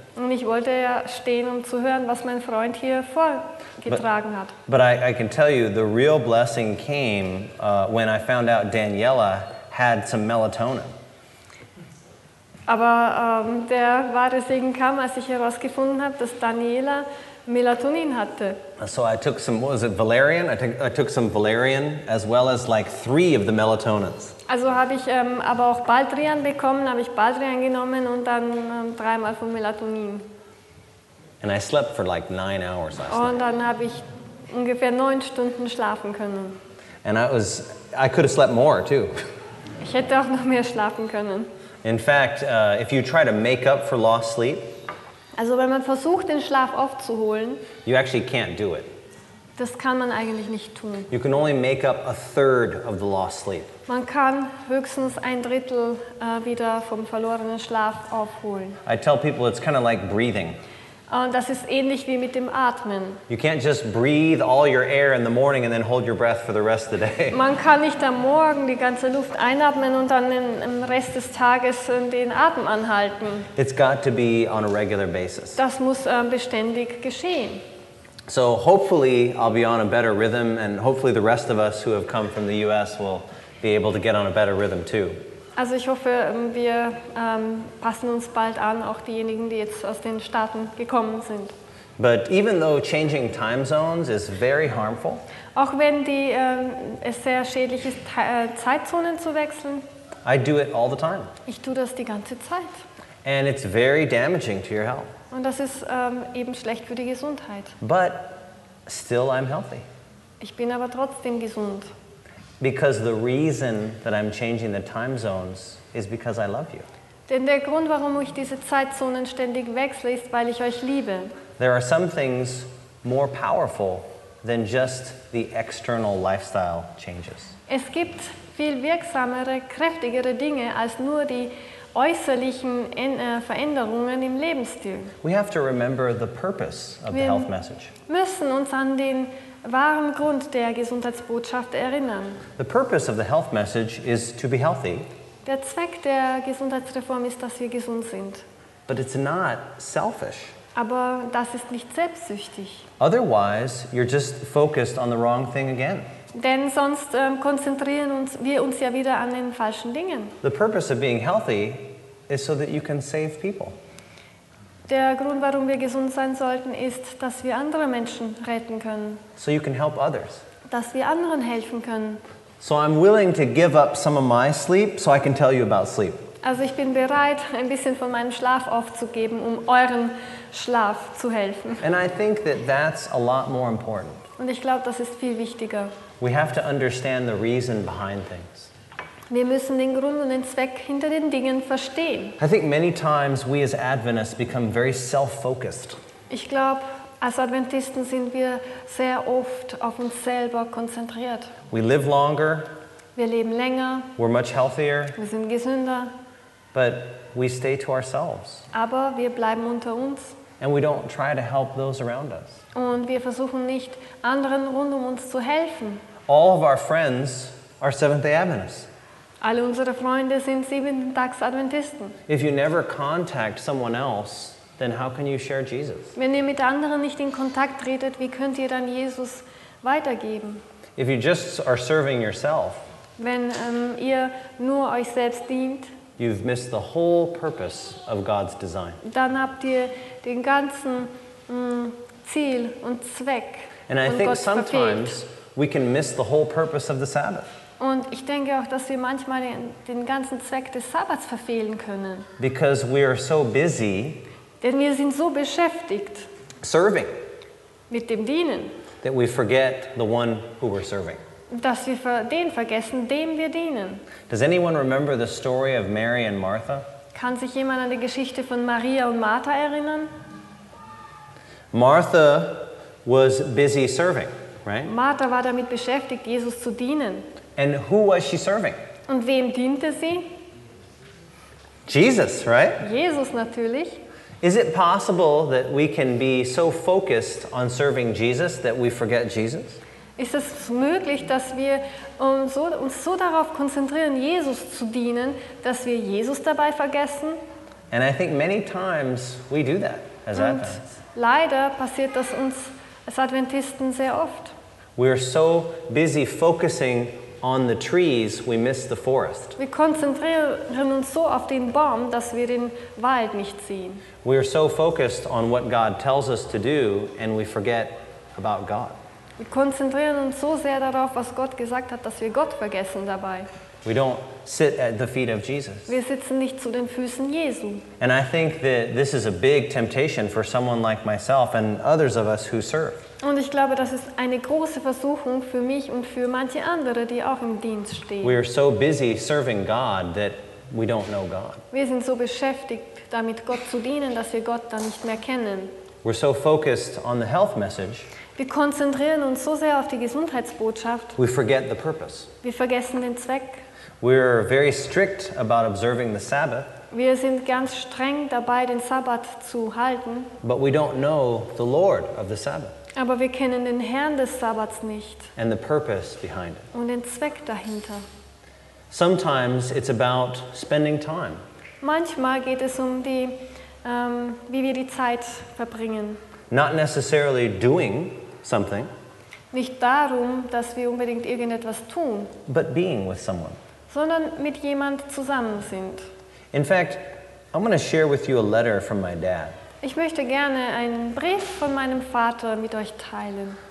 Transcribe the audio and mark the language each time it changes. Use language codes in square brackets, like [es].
[de] Und ich wollte ja stehen, um zu hören, was mein Freund hier vorgetragen hat. [en] But I can tell you, the real blessing came when I found out Daniela had some melatonin. [de] Aber der wahre Segen kam, als ich herausgefunden habe, dass Daniela Melatonin hatte. [en] So I took some, what was it, Valerian? I took some Valerian, as well as like 3 of the melatonins. [de] Also habe ich aber auch Baldrian bekommen, habe ich Baldrian genommen und dann 3-mal von Melatonin. [en] And I slept for like 9 hours last night. [de] Und dann habe ich ungefähr 9 Stunden schlafen können. [en] And I could have slept more too. [de] Ich hätte auch noch mehr schlafen können. [en] In fact, if you try to make up for lost sleep, [de] also wenn man versucht, den Schlaf aufzuholen, [en] you actually can't do it. [de] Das kann man eigentlich nicht tun. [en] You can only make up a third of the lost sleep. [de] Man kann höchstens ein Drittel wieder vom verlorenen Schlaf aufholen. [en] I tell people it's kind of like breathing. [de] Und das ist ähnlich wie mit dem Atmen. [en] You can't just breathe all your air in the morning and then hold your breath for the rest of the day. [de] Man kann nicht am Morgen die ganze Luft einatmen und dann im Rest des Tages den Atem anhalten. [en] It's got to be on a regular basis. [de] Das muss beständig geschehen. [en] So hopefully I'll be on a better rhythm, and hopefully the rest of us who have come from the U.S. will be able to get on a better rhythm too. [de] Also ich hoffe, wir passen uns bald an, auch diejenigen, die jetzt aus den Staaten gekommen sind. [en] But even though changing time zones is very harmful, [de] auch wenn es sehr schädlich ist, Zeitzonen zu wechseln, [en] I do it all the time. [de] Ich tue das die ganze Zeit. [en] And it's very damaging to your health. [de] Und das ist eben schlecht für die Gesundheit. [en] But still I'm healthy. [de] Ich bin aber trotzdem gesund. [en] Because the reason that I'm changing the time zones is because I love you. [de] Denn der Grund, warum ich diese Zeitzonen ständig wechsle, ist, weil ich euch liebe. [en] There are some things more powerful than just the external lifestyle changes. [de] Es gibt viel wirksamere, kräftigere Dinge als nur die äußerlichen Veränderungen im Lebensstil. [en] We have to remember the purpose of the health message. [de] Wir müssen uns an den wahren Grund der Gesundheitsbotschaft erinnern. [en] The purpose of the health message is to be healthy. [de] Der Zweck der Gesundheitsreform ist, dass wir gesund sind. [en] But it's not selfish. [de] Aber das ist nicht selbstsüchtig. [en] Otherwise, you're just focused on the wrong thing again. [de] Denn sonst konzentrieren wir uns ja wieder an den falschen Dingen. [en] The purpose of being healthy is so that you can save people. [de] Der Grund, warum wir gesund sein sollten, ist, dass wir andere Menschen retten können. [en] So you can help others. [de] Dass wir anderen helfen können. [en] So I'm willing to give up some of my sleep so I can tell you about sleep. [de] Also ich bin bereit, ein bisschen von meinem Schlaf aufzugeben, um euren Schlaf zu helfen. [en] And I think that that's a lot more important. [de] Und ich glaube, das ist viel wichtiger. [en] We have to understand the reason behind things. [de] Wir müssen den Grund und den Zweck hinter den Dingen verstehen. [en] I think many times we as Adventists become very self-focused. [de] Ich glaube, als Adventisten sind wir sehr oft auf uns selber konzentriert. [en] We live longer. [de] Wir leben länger. [en] We're much healthier. [de] Wir sind gesünder. [en] But we stay to ourselves. [de] Aber wir bleiben unter uns. [en] And we don't try to help those around us. [de] Und wir versuchen nicht, anderen rund um uns zu helfen. [en] All of our friends are Seventh-day Adventists. [de] Alle unsere Freunde sind Siebentags-Adventisten. [en] If you never contact someone else, then how can you share Jesus? [de] Wenn ihr mit anderen nicht in Kontakt tretet, wie könnt ihr dann Jesus weitergeben? [en] If you just are serving yourself, [de] wenn ihr nur euch selbst dient, [en] you've missed the whole purpose of God's design. [de] Dann habt ihr den ganzen Ziel und Zweck von Gott. [en] And I think sometimes we can miss the whole purpose of the Sabbath. [de] Und ich denke auch, dass wir manchmal den ganzen Zweck des Sabbats verfehlen können. [en] Because we are so busy. [de] Denn wir sind so beschäftigt. [en] Serving. [de] Mit dem Dienen. [en] That we forget the one who we're serving. [de] Dass wir den vergessen, dem wir dienen. [en] Does anyone remember the story of Mary and Martha? [de] Kann sich jemand an die Geschichte von Maria und Martha erinnern? [en] Martha was busy serving, right? [de] Martha war damit beschäftigt, Jesus zu dienen. [en] And who was she serving? [de] Und wem diente sie? [en] Jesus, right? [de] Jesus natürlich. [en] Is it possible that we can be so focused on serving Jesus that we forget Jesus? [de] Ist es möglich, dass wir uns so darauf konzentrieren, Jesus zu dienen, dass wir Jesus dabei vergessen? [en] And I think many times we do that as Adventists. [de] Und leider passiert das uns als Adventisten sehr oft. [en] We are so busy focusing on the trees, we miss the forest. [de] Wir konzentrieren uns so auf den Baum, dass wir den Wald nicht sehen. [en] We are so focused on what God tells us to do, and we forget about God. [de] Wir konzentrieren uns so sehr darauf, was Gott gesagt hat, dass wir Gott vergessen dabei. [en] We don't sit at the feet of Jesus. [de] Wir sitzen nicht zu den Füßen Jesu. [en] And I think that this is a big temptation for someone like myself and others of us who serve. [de] Und ich glaube, das ist eine große Versuchung für mich und für manche andere, die auch im Dienst stehen. [en] We are so busy serving God that we don't know God. [de] Wir sind so beschäftigt damit, Gott zu dienen, dass wir Gott dann nicht mehr kennen. [en] We're so focused on the health message. [de] Wir konzentrieren uns so sehr auf die Gesundheitsbotschaft. [en] We forget the purpose. [de] Wir vergessen den Zweck. [en] We're very strict about observing the Sabbath. [de] Wir sind ganz streng dabei, den Sabbat zu halten. [en] But we don't know the Lord of the Sabbath. [de] Aber wir kennen den Herrn des Sabbats nicht. [en] And the purpose behind it. [de] Und den Zweck dahinter. [en] Sometimes it's about spending time. [de] Manchmal geht es um die, wie wir die Zeit verbringen. [en] Not necessarily doing something. [de] Nicht darum, dass wir unbedingt irgendetwas tun. [en] But being with someone. [de] Sondern mit jemand zusammen sind. [en] In fact, I'm going to share with you a letter from my dad. [de] Ich möchte gerne einen Brief von meinem Vater mit euch teilen.